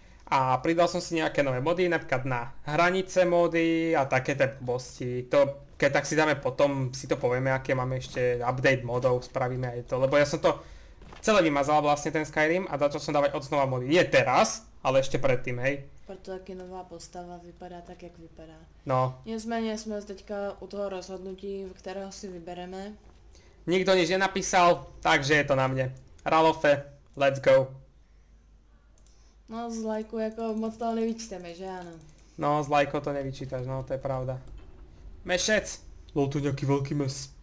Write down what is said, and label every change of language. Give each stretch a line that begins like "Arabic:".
Slovak: A pridal som si nejaké nové mody, napríklad na hranice mody a také tie blbosti. To, keď tak si dáme potom, si to povieme, aké máme ešte update modov, spravíme aj to. Lebo ja som to celé vymazal vlastne ten Skyrim a začal som dávať odznova mody. Nie teraz, ale ešte predtým, hej.
Czech: Preto taky nová postava vypadá tak, jak vypadá. No. Nicméně sme teďka u toho rozhodnutí, v ktorého si vybereme.
Slovak: Nikto nič nenapísal, takže je to na mne.
English: Ralofe, let's go.
Czech: No z lajku jako moc toho nevyčíteme, že ano?
Slovak: No z lajku to nevyčítaš, no to je pravda. Mešec! Lol, to je nejaký veľký mes.